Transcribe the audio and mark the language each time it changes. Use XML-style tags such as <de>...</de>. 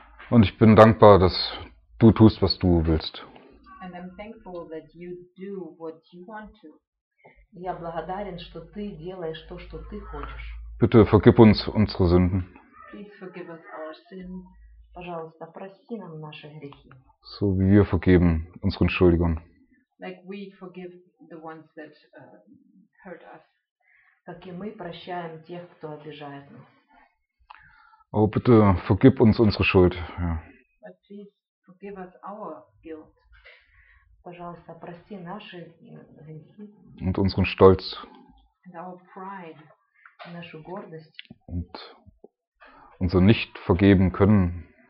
<de>Und ich bin dankbar, dass du tust, was du willst.</de> <en>And I'm thankful that you do what you want to.</en> <ru>Я благодарен, что ты делаешь то, что ты хочешь.</ru> <de>Bitte vergib uns unsere Sünden.</de> <en>Please forgive us our sins.</en> <ru>Пожалуйста, прости нам наши грехи.</ru> <de>So wir vergeben unseren Schuldigern.</de> <en>Like we forgive the ones that hurt us.</en> <ru>Как и мы прощаем тех, кто обижает нас.</ru> <de>Oh, bitte vergib uns unsere Schuld. Ja.</de> <en>But please forgive us our guilt.</en> <ru>Пожалуйста, прости наши грехи.</ru> <de>Und unseren Stolz.</de> <en>And our pride.</en> <ru>Нашу гордость.</ru> <de>Und unser nicht vergeben können.</de>